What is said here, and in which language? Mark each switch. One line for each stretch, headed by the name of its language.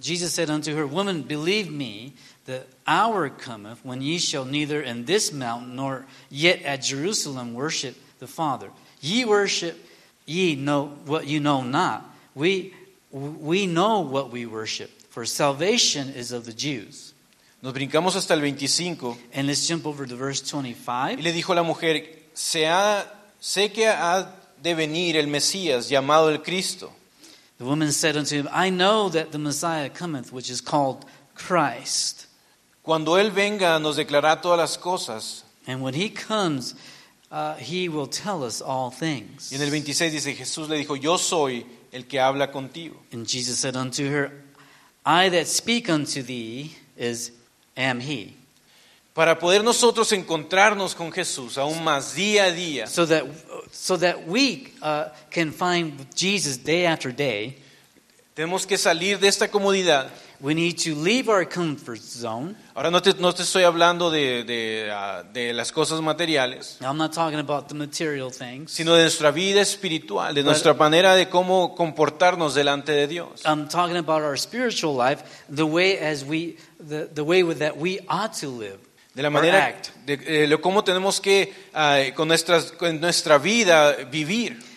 English: Jesus said unto her, Woman, believe me, the hour cometh when ye shall neither in this mountain nor yet at Jerusalem worship the Father. Ye worship, ye know what you know not. We know what we worship, for salvation is of the Jews.
Spanish: Nos brincamos hasta el 25.
English: And let's jump over to verse 25.
Spanish: Y le dijo la mujer, sé que ha de venir el Mesías, llamado el Cristo.
English: The woman said unto him, I know that the Messiah cometh, which is called Christ.
Spanish: Cuando él venga, nos declarará todas las cosas.
English: And when he comes, he will tell us all things.
Spanish: Y en el 26 dice, Jesús le dijo, yo soy el que habla contigo.
English: And Jesus said unto her, I that speak unto thee is, am he.
Spanish: Para poder nosotros encontrarnos con Jesús aún más día a día.
English: So that we can find Jesus day after day.
Spanish: Tenemos que salir de esta comodidad.
English: We need to leave our comfort zone.
Spanish: Ahora no te estoy hablando de las cosas materiales.
English: I'm not talking about the material things.
Spanish: Sino de nuestra vida espiritual, de nuestra manera de cómo comportarnos delante de Dios.
English: I'm talking about our spiritual life, the way that we ought to live.
Spanish: De la manera de cómo tenemos que con nuestra vida vivir.